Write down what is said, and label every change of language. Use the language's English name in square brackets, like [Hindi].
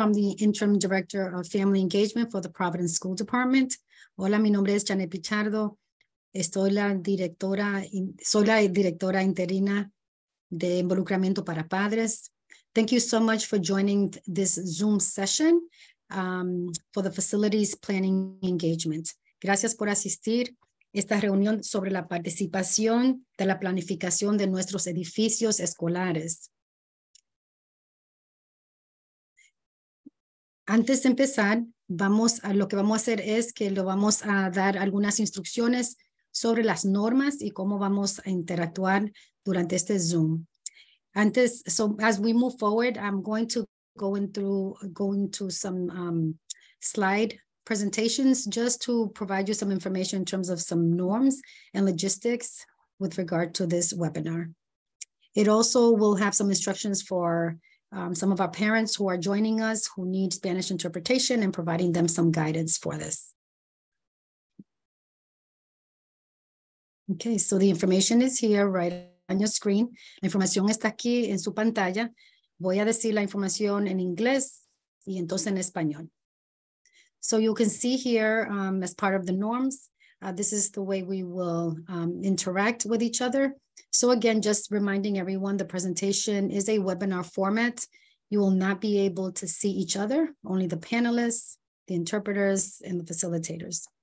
[English] I'm the Interim Director of Family Engagement for the Providence School Department. [Spanish] Hola, mi nombre es Janet Pichardo. Soy la directora interina de involucramiento para padres. [English] Thank you so much for joining this Zoom session for the facilities planning engagement. [Spanish] Gracias por asistir esta reunión sobre la participación de la planificación de nuestros edificios escolares. Antes de empezar, vamos a dar algunas instrucciones sobre las normas y cómo vamos a interactuar durante este Zoom. [English] So as we move forward, I'm going to go into some slide presentations just to provide you some information in terms of some norms and logistics with regard to this webinar. It also will have some instructions for some of our parents who are joining us who need Spanish interpretation and providing them some guidance for this. Okay, so the information is here right on your screen. [Spanish] La información está aquí en su pantalla. Voy a decir la información en inglés y entonces en español. [English] So you can see here as part of the norms, this is the way we will interact with each other. So again, just reminding everyone, the presentation is a webinar format. You will not be able to see each other, only the panelists, the interpreters, and the facilitators.